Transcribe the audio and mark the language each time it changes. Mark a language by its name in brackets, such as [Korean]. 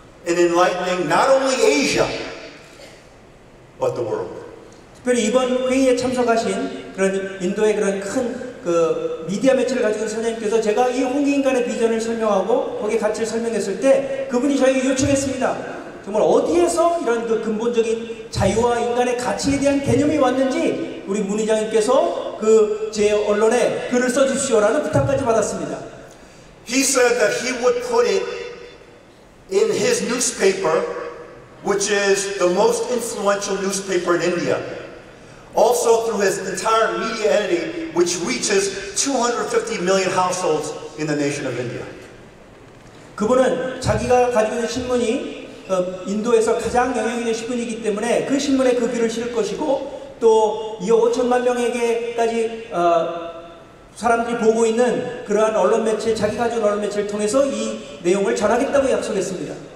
[English] In enlightening not only Asia but the world. [Korean] 특별히 이번 회의에 참석하신 그런 인도의 그런 큰 그 미디어 매체를 가지고 선생님께서 제가 이 홍익인간의 비전을 설명하고 거기에 가치를 설명했을 때 그분이 저에게 요청했습니다. 정말 어디에서 이런 그 근본적인 자유와 인간의 가치에 대한 개념이 왔는지 우리 문 의장님께서 그 제 언론에 글을 써주시오라는 부탁까지 받았습니다. [English] He said that he would put it in his newspaper, which is the most influential newspaper in India, also through his entire media entity, which reaches 250 million households in the nation of India. [Korean] 그분은 자기가 가지고 있는 신문이 인도에서 가장 영향 있는 신문이기 때문에 그 신문에 그 글을 실을 것이고 또 이 5천만 명에게까지 사람들이 보고 있는 그러한 언론 매체, 자기 가족 언론 매체를 통해서 이 내용을 전하겠다고 약속했습니다.